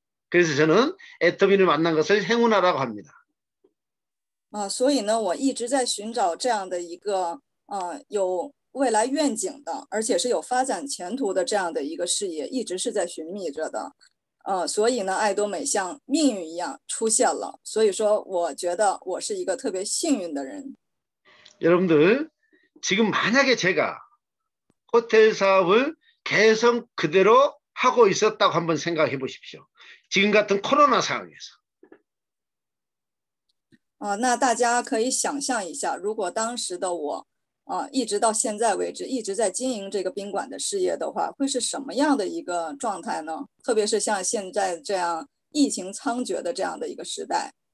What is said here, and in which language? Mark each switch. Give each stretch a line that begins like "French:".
Korean: 그래서 저는 애터미를 만난 것을 행운하라고 합니다.
Chinese: 所以呢，我一直在寻找这样的一个，有未来愿景的，而且是有发展前途的这样的一个事业，一直是在寻觅着的。所以呢，爱多美像命运一样出现了，所以说，我觉得我是一个特别幸运的人。
Korean: 여러분들, 지금 만약에 제가 호텔 사업을 계속 그대로 하고 있었다고 한번 생각해 보십시오. 지금 같은 코로나 상황에서.
Chinese: 那大家可以想象一下，如果当时的我，一直到现在为止一直在经营这个宾馆的事业的话，会是什么样的一个状态呢？特别是像现在这样疫情猖獗的这样的一个时代。